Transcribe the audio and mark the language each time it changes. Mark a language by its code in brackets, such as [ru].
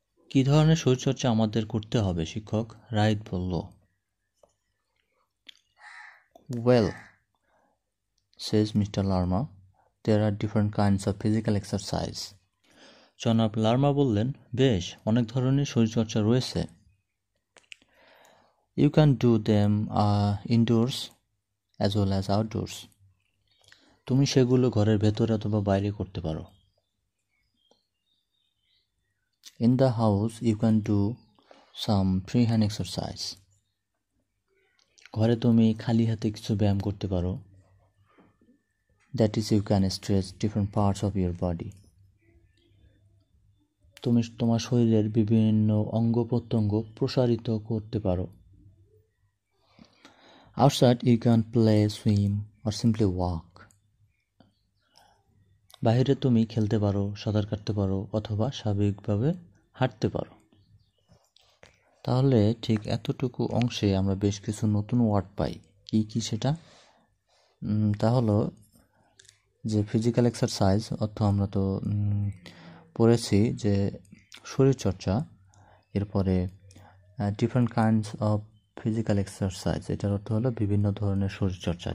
[bn] কী ধরনের শরীরচর্চা আমাদের করতে হবে শিক্ষক? রাইট বলল, [en] Well says mister Larma, there are different kinds of physical exercise. [bn] জনাব লার্মা বললেন, বেশ, অনেক ধরনের শরীরচর্চা রয়েছে। [en] You can do them indoors as well as outdoors. [bn] তুমি সেগুলো ঘরের ভেতরে অথবা বাইরে করতে পারো। [en] In the house you can do some free hand exercise. [bn] ঘরে তুমি খালি হাতে কিছু ব্যায়াম করতে পারো। [en] That is you can stretch different parts of your body. [bn] তুমি তোমার শরীরের বিভিন্ন অঙ্গ প্রত্যঙ্গ প্রসারিত করতে পারো। [en] Outside, you can play, swim, or simply walk. [bn] বাইরে তুমি খেলতে পারো, সাঁতার কাটতে পারো, অথবা স্বাভাবিকভাবে হাঁটতে পারো। তাহলে ঠিক এতটুকু অংশে আমরা বেশ কিছু নতুন ওয়ার্ড পাই। কী কী সেটা? তা হলো যে ফিজিক্যাল এক্সারসাইজ অর্থ আমরা তো পড়েছি যে শরীরচর্চা, এরপরে [en] different kinds of physical exercise, [bn] এটার অর্থ হলো বিভিন্ন ধরনের শরীরচর্চা।